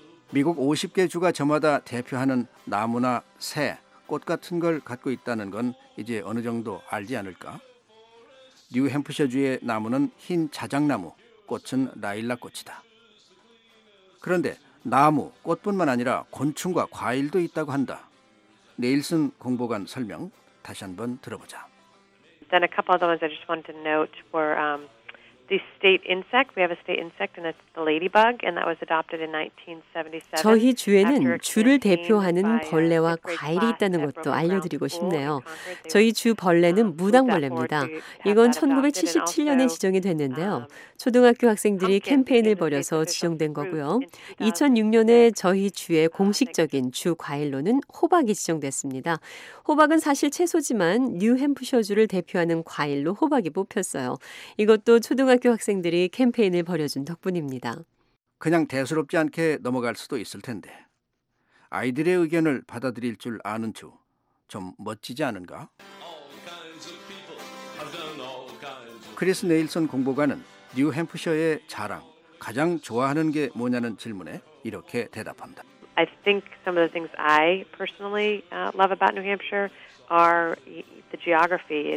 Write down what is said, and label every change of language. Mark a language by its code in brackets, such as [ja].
[ko] 미국 50개 주가 저마다 대표하는 나무나 새, 꽃 같은 걸 갖고 있다는 건 이제 어느 정도 알지 않을까? 뉴햄프셔주의 나무는 흰 자작나무, 꽃은 라일락 꽃이다. 그런데 나무, 꽃뿐만 아니라 곤충과 과일도 있다고 한다. 네일슨 공보관 설명 다시 한번 들어보자. [en] Then a couple other ones I just wanted to note were the state insect. We have a state insect, and it's the ladybug, and that was adopted in 1977. [ko] 저희 주에는 주를 대표하는 벌레와 과일이 있다는 것도 알려드리고 싶네요. 저희 주 벌레는 무당벌레입니다. 이건 1977년에 지정이 됐는데요. 초등학교 학생들이 캠페인을 벌여서 지정된 거고요. 2006년에 저희 주의 공식적인 주 과일로는 호박이 지정됐습니다. 호박은 사실 채소지만 뉴햄프셔주를 대표하는 과일로 호박이 뽑혔어요. 이것도 초등학교 학생들이 캠페인을 벌여준 덕분입니다. 그냥 대수롭지 않게 넘어갈 수도 있을 텐데 아이들의 의견을 받아들일 줄 아는 주 좀 멋지지 않은가? 크리스 네일슨 공보관은 뉴햄프셔의 자랑, 가장 좋아하는 게 뭐냐는 질문에 이렇게 대답합니다. [en] I think some of the things I personally love about New Hampshire are the geography.